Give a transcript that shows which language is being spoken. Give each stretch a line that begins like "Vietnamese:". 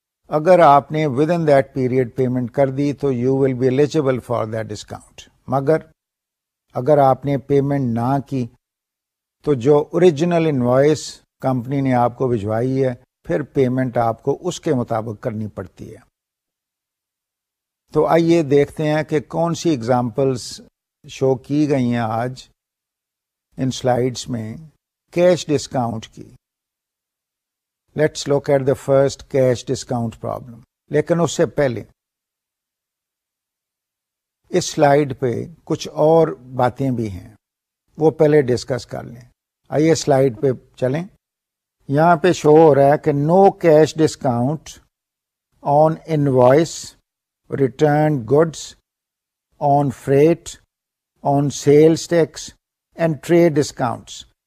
Urdu: اگر آپ نے
English: within that period
Urdu: payment کر دی تو
English: you will be eligible for that discount,
Urdu: مگر اگر آپ نے پیمنٹ نہ کی تو جو اوریجنل انوائس کمپنی نے آپ کو بھجوائی ہے پھر پیمنٹ آپ کو اس کے مطابق کرنی پڑتی ہے. تو آئیے دیکھتے ہیں کہ کون سی ایگزامپلس شو کی گئی ہیں آج ان سلائڈس میں کیش ڈسکاؤنٹ کی.
English: Let's look at the first cash discount problem.
Urdu: لیکن اس سے پہلے اس سلائڈ پہ کچھ اور باتیں بھی ہیں, وہ پہلے ڈسکس کر لیں. آئیے سلائڈ پہ چلیں. یہاں پہ شو ہو رہا ہے کہ
English: No cash discount on invoice return goods on freight on sales tax and trade discounts.